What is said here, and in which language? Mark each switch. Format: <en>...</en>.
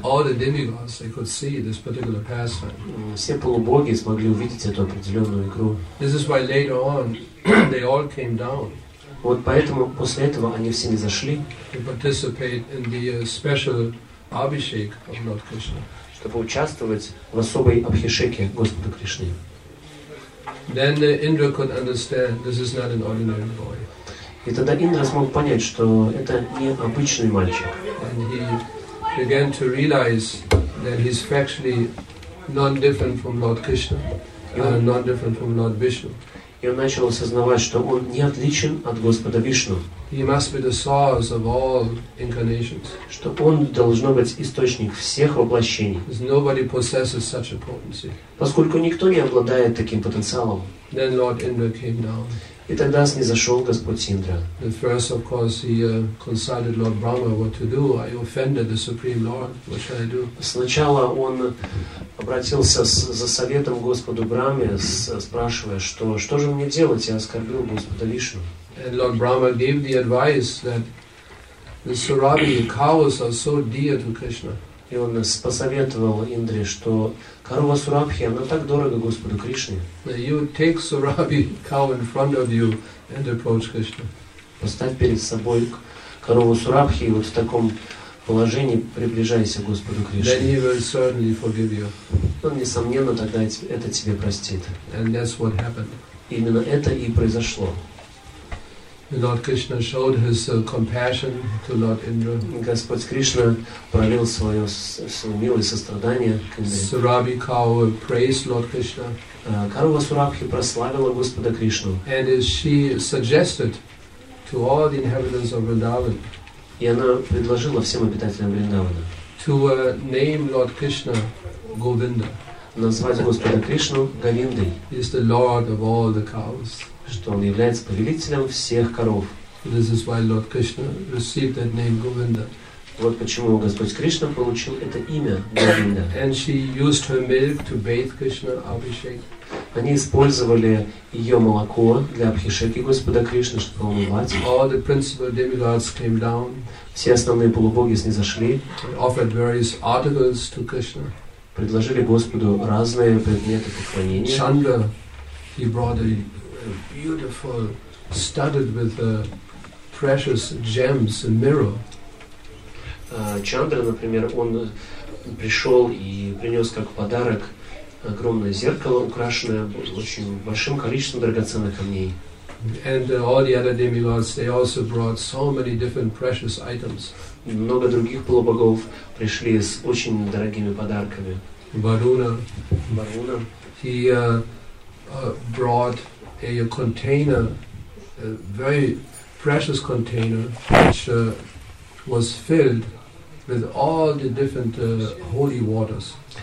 <en>All the demigods, they could see this particular pastime.</en> <ru>Все полубоги смогли увидеть эту определенную игру.</ru> <en>This is why later on they all came down.</en> <ru>Вот поэтому после этого они все не зашли.</ru> <en>To participate in the special abhishek of Lord Krishna.</en> <ru>Чтобы участвовать в особой абхишеке Господа Кришны.</ru> <en>Then Indra could understand this is not an ordinary boy.</en> <ru>И тогда Индра смог понять, что это не обычный мальчик.</ru> <en>And he began to realize that he's factually non-different from Lord Krishna, non-different from Lord Vishnu.</en> <ru>И он начал осознавать, что он не отличен от Господа Вишну.</ru> <en>He must be the source of all incarnations.</en> <ru>Что он должно быть источник всех воплощений.</ru> <en>Nobody possesses such a potency.</en> <ru>Поскольку никто не обладает таким потенциалом.</ru> <en>Then Lord Indra came down.</en> <ru>И тогда снизошел Господь Индра.</ru> <en>At first, of course, he consulted Lord Brahma what to do. I offended the Supreme Lord. What should I do?</en> <ru>Сначала он обратился за советом Господу Брахме, спрашивая, что же мне делать? Я оскорбил Господа Вишну.</ru> <en>And Lord Brahma gave the advice that the Surabhi cows are so dear to Krishna.</en> <ru>И он посоветовал Индре, что корова Сурабхи, она так дорога Господу Кришне.</ru> <en>You take Surabhi cow in front of you and approach Krishna.</en> <ru>Поставь перед собой корову Сурабхи и вот в таком положении приближайся к Господу Кришне.</ru> <en>Then he will certainly forgive you.</en> <ru>Он, несомненно, тогда это тебе простит.</ru> <en>And that's what happened.</en> <ru>Именно это и произошло.</ru> <en>Lord Krishna showed his compassion to Lord Indra.</en> <ru>Господь Кришна проявил свою милость, сострадание к Индре.</ru> <en>Surabhi cow praised Lord Krishna.</en> <ru>Корова Сурабхи прославила Господа Кришну.</ru> <en>And she suggested to all the inhabitants of Vrindavan.</en> <ru>И она предложила всем обитателям Вриндавана.</ru> <en>To name Lord Krishna Govinda.</en> <ru>Назвать Господа Кришну Говиндой.</ru> <en>He is the Lord of all the cows.</en> <ru>Что он является повелителем всех коров.</ru> <en>This is why Lord Krishna received that name Govinda.</en> <ru>Вот почему Господь Кришна получил это имя Govinda.</ru> <en>And she used her milk to bathe Krishna, abhishek.</en> <ru>Они использовали ее молоко для абхишеки Господа Кришны, чтобы умывать.</ru> <en>All the principal demigods came down.</en> <ru>Все основные полубоги снизошли.</ru> <en>Offered various articles to Krishna.</en> <ru>Предложили Господу разные предметы поклонения.</ru> <en>Chandra, he brought a beautiful, studded with precious gems, a mirror.</en> <ru>Чандра, например, он пришел и принес как подарок огромное зеркало, украшенное очень большим количеством драгоценных камней.</ru> <en>And all the other demigods, they also brought so many different precious items.</en> <ru>Много других полубогов пришли с очень дорогими подарками. Варуна.</ru> <en>He brought a container, a very precious container, which was filled with all the different holy waters.</en>